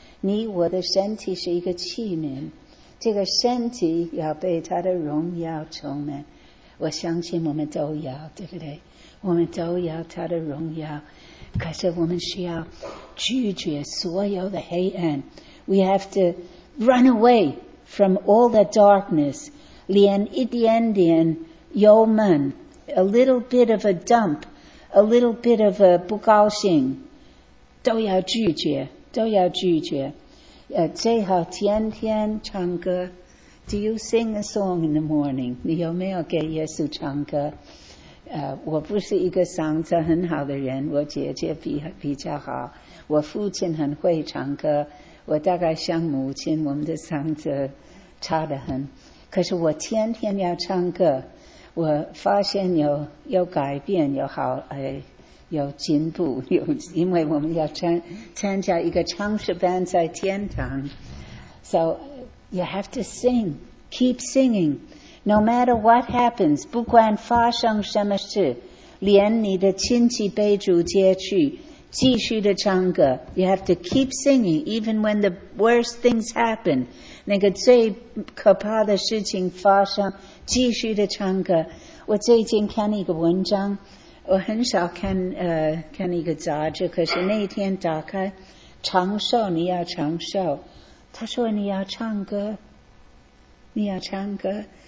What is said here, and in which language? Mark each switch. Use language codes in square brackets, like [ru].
[zh] 你我的身体是一个器皿。这个身体要被他的荣耀充满，我相信我们都要，对不对？我们都要他的荣耀，可是我们需要拒绝所有的黑暗。 [en] We have to run away from all the darkness. [zh] 连一点点幽闷， [en] a little bit of a dump, a little bit of a [zh] 不高兴，都要拒绝，都要拒绝。最好天天唱歌。 [en] Do you sing a song in the morning? [zh] 你有没有给耶稣唱歌？我不是一个嗓子很好的人，我姐姐比较好。我父亲很会唱歌，我大概像母亲，我们的嗓子差得很。可是我天天要唱歌，我发现有改变，有好，有进步，有，因为我们要参加一个唱诗班在天堂。 [en] So, you have to sing. Keep singing. No matter what happens, [zh] 不管发生什么事，连你的亲戚被主接去，继续的唱歌。 [en] You have to keep singing, even when the worst things happen. [zh] 那个最可怕的事情发生，继续的唱歌。我最近看一个文章，我很少看一个杂志，可是那一天打开，长寿，你要长寿。他说你要唱歌，你要唱歌。